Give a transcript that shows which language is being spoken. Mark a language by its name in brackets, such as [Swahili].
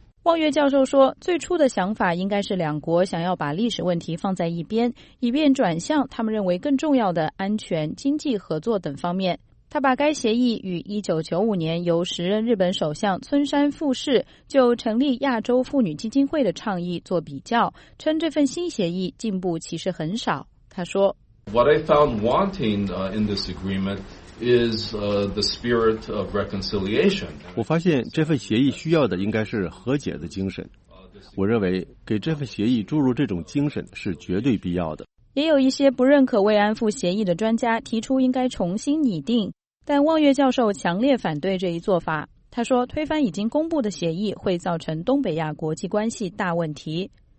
[Chinese] 望月教授说，最初的想法应该是两国想要把历史问题放在一边，以便转向他们认为更重要的安全、经济合作等方面。他把该协议与1995年由时任日本首相村山富士就成立亚洲妇女基金会的倡议做比较，称这份新协议进步其实很少。他说 [English] What I found wanting in this agreement is the spirit of reconciliation. [Chinese] 我发现这份协议需要的应该是和解的精神。我认为给这份协议注入这种精神是绝对必要的。也有一些不认可慰安妇协议的专家提出应该重新拟定，但望月教授强烈反对这一做法。他说，推翻已经公布的协议会造成东北亚国际关系大问题。